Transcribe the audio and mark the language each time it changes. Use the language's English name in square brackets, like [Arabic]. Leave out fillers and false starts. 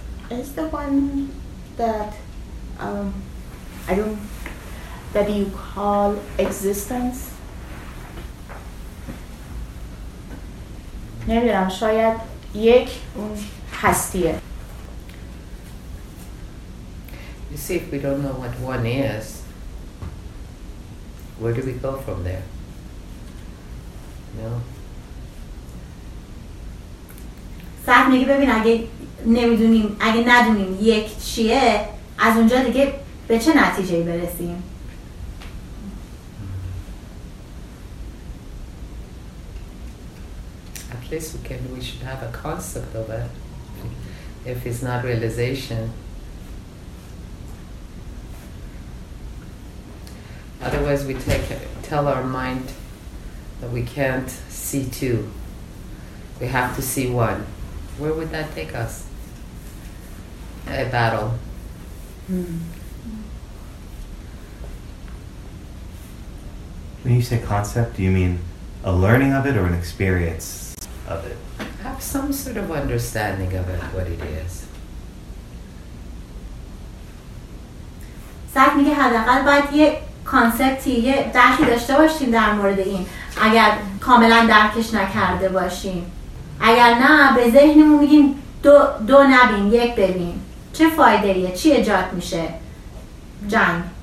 [English] is the one that that you call existence. [Persian] نمیدونم شاید یک اون هستیه. [English] You see, if we don't know what one is, where do we go from there? No. [Persian] صحب میگه ببین اگه ندونیم یک چیه از اونجا دیگه به چه نتیجه برسیم؟ [English] We should have a concept of it. If it's not realization, otherwise we tell our mind that we can't see two. We have to see one. Where would that take us? A battle. When you say concept, do you mean a learning of it or an experience of it? Have some sort of understanding of it, what it is. [Persian] سعید میگه حداقل باید یه کانسپتی، یه درکی داشته باشیم در مورد این، اگر کاملا درکش نکرده باشیم. اگر نه به ذهنمون میگیم دو نبین، یک ببین. چه فایده ایه؟ چی ایجاد میشه؟ جنگ.